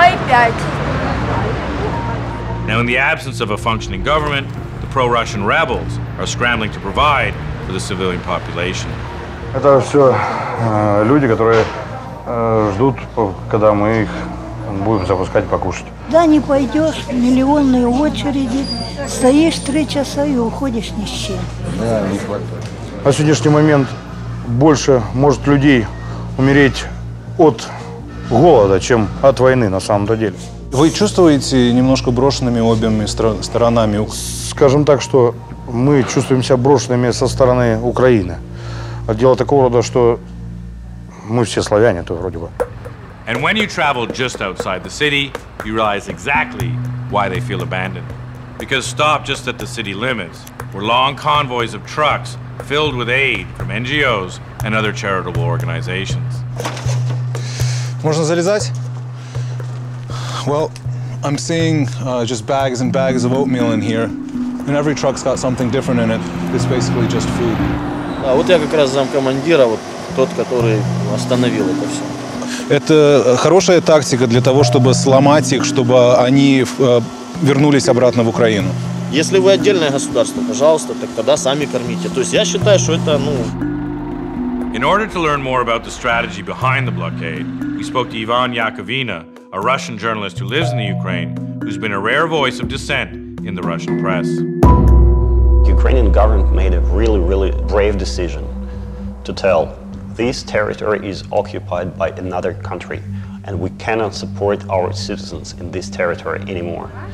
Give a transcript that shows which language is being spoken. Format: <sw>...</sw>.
<en>Now, in the absence of a functioning government, the pro-Russian rebels are scrambling to provide for the civilian population.</en> <ru>Это все люди, которые ждут, когда мы их будем запускать покушать. Да не пойдешь, миллионные очереди, стоишь 3 часа и уходишь ни с чем. Да, не хватает. На сегодняшний момент больше может людей умереть от голода, чем от войны на самом-то деле. Вы чувствуете немножко брошенными обеими сторонами? Скажем так, что мы чувствуем себя брошенными со стороны Украины. Дело такого рода, что мы все славяне, то вроде бы.</ru> <en>And when you travel just outside the city, you realize exactly why they feel abandoned. Because stop just at the city limits, where long convoys of trucks filled with aid from NGOs and other charitable organizations.</en> <ru>Можно залезать?</ru> <en>Well, I'm seeing just bags and bags of oatmeal in here. And every truck's got something different in it. It's basically just food.</en> <ru>А вот я как раз замкомандира, вот тот, который остановил это все. Это хорошая тактика для того, чтобы сломать их, чтобы они вернулись обратно в Украину. Если вы отдельное государство, пожалуйста, так тогда сами кормите. То есть я считаю, что это, ну...</ru> <en>In order to learn more about the strategy behind the blockade, we spoke to Ivan Yakovina, a Russian journalist who lives in the Ukraine, who's been a rare voice of dissent in the Russian press. Ukrainian government made a really, really brave decision to tell this territory is occupied by another country and we cannot support our citizens in this territory anymore.</en>